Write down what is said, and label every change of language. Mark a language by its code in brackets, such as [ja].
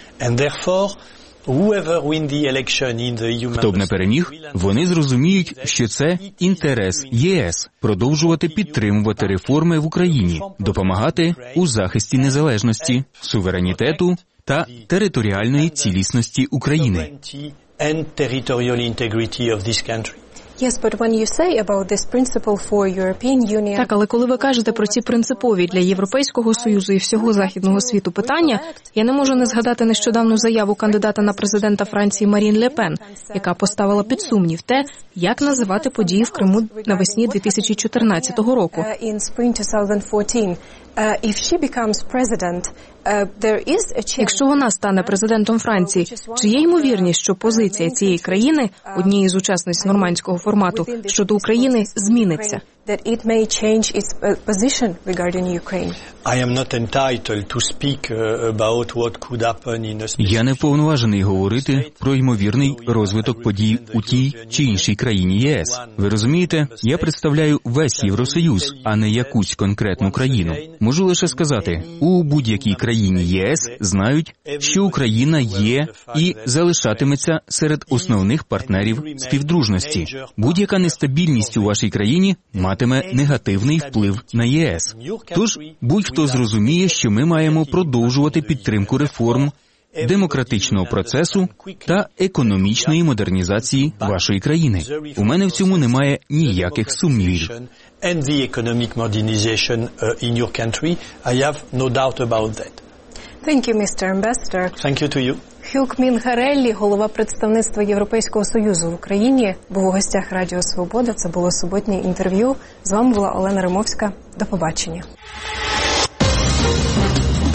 [en] And therefore, whoever win the election in the EU. [uk] Хто б не переміг, вони зрозуміють, що це інтерес ЄС продовжувати підтримувати реформи в Україні, допомагати у захисті незалежності, суверенітету та територіальної цілісності України. [en] And territorial integrity of this country. Yes, but when you say about this principle for European Union. [uk] Так, але коли ви кажете про ці принципові для Європейського Союзу і всього західного світу питання, я не можу не згадати нещодавну заяву кандидата на президента Франції Марін Ле Пен, яка поставила під сумнів те, як називати події в Криму навесні 2014 року. [en] In spring 2014, if she becomes president, [uk] Якщо вона стане президентом Франції, чи є ймовірність, що позиція цієї країни, однієї з учасниць нормандського формату, щодо України зміниться? [en] That it may change its position regarding Ukraine. I am not entitled to speak about what could happen in a specific. [uk] Я не повноважений говорити про ймовірний розвиток подій у тій чи іншій країні ЄС. Ви розумієте, я представляю весь Євросоюз, а не якусь конкретну країну. Можу лише сказати, у будь-якій країні ЄС знають, що Україна є і залишатиметься серед основних партнерів співдружності. Будь-яка нестабільність у вашій країні матиме негативний вплив на ЄС. Тож, будь-хто зрозуміє, що ми маємо продовжувати підтримку реформ, демократичного процесу та економічної модернізації вашої країни. У мене в цьому немає ніяких сумнівів. [en] And the economic modernization in your country, I have no doubt about that. Thank you, Mr. Ambassador. Thank you to you. [uk] Хюк Мінгареллі, голова представництва Європейського Союзу в Україні, був у гостях Радіо Свобода. Це було суботнє інтерв'ю. З вами була Олена Римовська. До побачення.